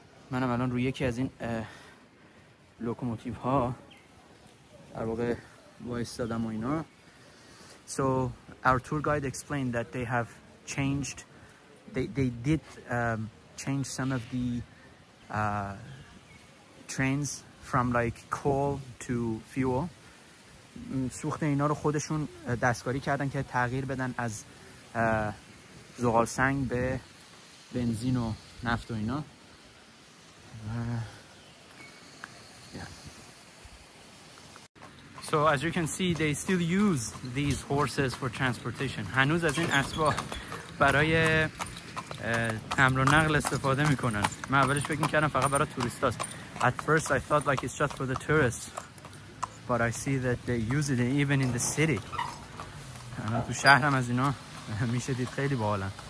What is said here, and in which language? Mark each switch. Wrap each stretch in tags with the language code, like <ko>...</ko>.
<fa>منم الان روی یکی از این لوکوموتیو ها در واقع وایستادم و اینا.</fa> <en>So our tour guide explained that they have changed, they did change some of the trains from like coal to fuel.</en> <fa>سوخت اینا رو خودشون دستکاری کردن که تغییر بدن از زغال سنگ به بنزین و نفت و اینا.</fa> <en>So as you can see, they still use these horses for transportation.</en> <fa>هنوز از این اسبا برای حمل و نقل استفاده میکنن. من اولش فکر کردم فقط برای توریست هست.</fa> <en>At first I thought like it's just for the tourists, but I see that they use it even in the city.</en> <fa>الان تو شهرم از اینا میشه دید خیلی باحال.</fa>